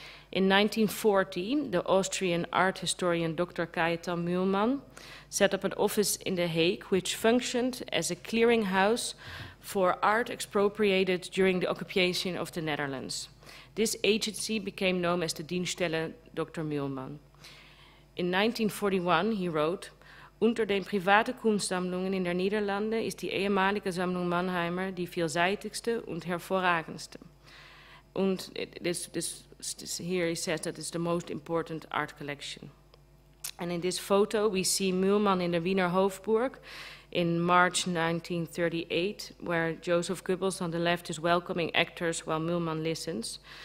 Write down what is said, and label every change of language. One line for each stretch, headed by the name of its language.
English: In 1940, the Austrian art historian Dr. Cajetan Mühlmann set up an office in The Hague, which functioned as a clearinghouse for art expropriated during the occupation of the Netherlands. This agency became known as the Dienststelle Dr.
German: Mühlmann.
English: In 1941, he wrote,
German: "Unter den private Kunstsammlungen in der Niederlande ist die ehemalige Sammlung Mannheimer die vielseitigste und hervorragendste."
English: And here he says that it's the most important art collection. And in this photo, we see Mühlmann in the Wiener Hofburg in March 1938, where Joseph Goebbels on the left is welcoming actors while Mühlmann listens.